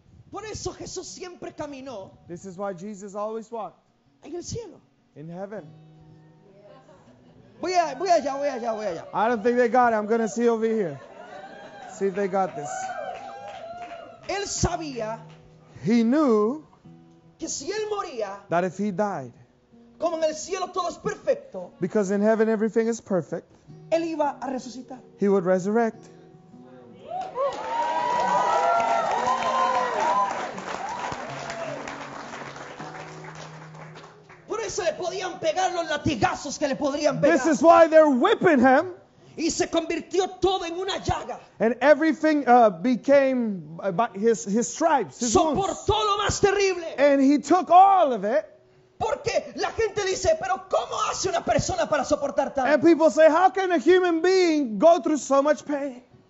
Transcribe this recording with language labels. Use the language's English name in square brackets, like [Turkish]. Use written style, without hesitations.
[Spanish] Por eso Jesús siempre caminó. [English] This is why Jesus always walked. [Spanish] En el cielo. [English] In heaven. [Spanish] Voy allá. [English] I don't think they got it. I'm going to see over here. See if they got this. [Spanish] Él sabía. [English] He knew. [Spanish] Que si él moría. [English] That if he died. [Spanish] Como en el cielo todo es perfecto. [English] Because in heaven everything is perfect. [Spanish] Él iba a resucitar. [English] He would resurrect. [Spanish] Se le podían pegar los latigazos que le podrían pegar. [English] This is why they're whipping him. [Spanish] y se convirtió todo en una llaga. [English] And everything became by his stripes, his [Spanish] wounds. Soportó lo más terrible. [English] And he took all of it. [Spanish] Porque la gente dice, pero ¿cómo hace una persona para soportar tanto? [English] And people say, how can a human being go through so much pain?